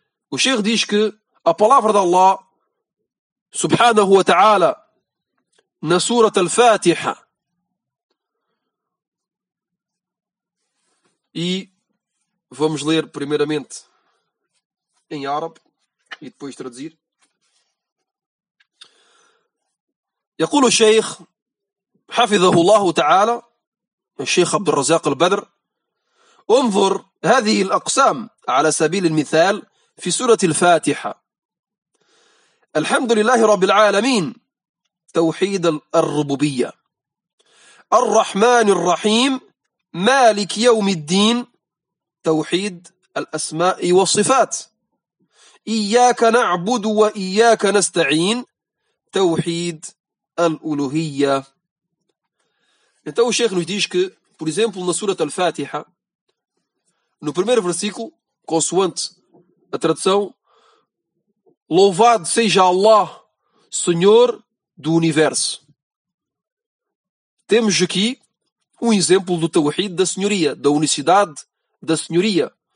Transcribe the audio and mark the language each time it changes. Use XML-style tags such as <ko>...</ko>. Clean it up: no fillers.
<pt>O Sheikh diz que a palavra de Allah subhanahu wa ta'ala na Surat al-Fatiha e vamos ler primeiramente em árabe e depois traduzir.</pt> <ar>يقول الشيخ حفظه الله تعالى الشيخ عبد الرزاق البدر انظر هذه الأقسام على سبيل المثال في سورة الفاتحة الحمد لله رب العالمين توحيد الربوبية الرحمن الرحيم مالك يوم الدين توحيد الأسماء والصفات إياك نعبد وإياك نستعين توحيد al-uluhiyya.</ar> <pt>Então o Sheikh nos diz que, por exemplo, na Surat al-Fatiha, no primeiro versículo, consoante a tradução, louvado seja Allah, Senhor do Universo. Temos aqui um exemplo do Tawhid da Senhoria, da unicidade da Senhoria.</pt>